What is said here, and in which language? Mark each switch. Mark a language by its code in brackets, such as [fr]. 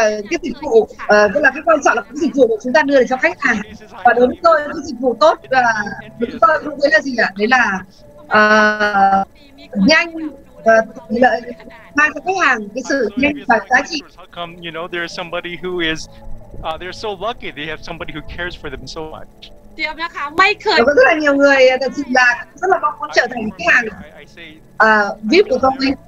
[vi] Cái dịch vụ, tức là cái quan trọng là cái dịch vụ của chúng ta đưa cho khách hàng. Và đối với tôi, cái dịch vụ tốt là chúng ta cũng thấy là gì ạ? Đấy là nhanh và lợi mang cho khách hàng cái sự nhanh và giá trị. [en] How come, you know, there's somebody who is they're so lucky they have somebody who cares for them so much. [vi] Có rất là nhiều người thật sự là rất là mong muốn trở thành khách hàng VIP của công ty.